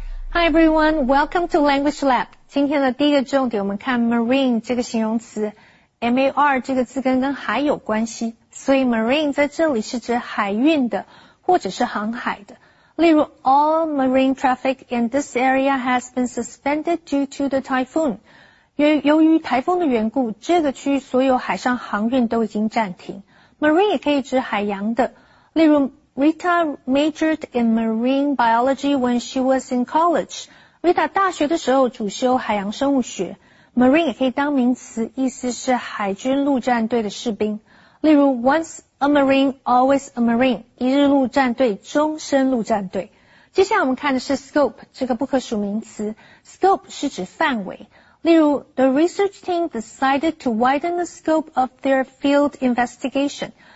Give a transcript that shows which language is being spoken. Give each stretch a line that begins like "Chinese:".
English: Hi everyone, welcome to Language Lab.
Chinese: 今天的第一个重点我们看 marine 这个形容词 MAR 这个字根跟海有关系，所以 marine 在这里是指海运的或者是航海的。例如
English: All marine traffic in this area has been suspended due to the typhoon.
Chinese: 由于台风的缘故，这个区域所有海上航运都已经暂停。
English: Marine
Chinese: 也可以指海洋的，例如
English: Rita majored in marine biology when she was in college.
Chinese: Rita 大学的时候主修海洋生物学。Marine 也可以当名词，意思是海军陆战队的士兵。例如
English: once a marine, always a marine.
Chinese: 一日陆战队，终身陆战队。接下来我们看的是 scope, 这个不可数名词。Scope 是指范围。例如
English: the research team decided to widen the scope of their field investigation.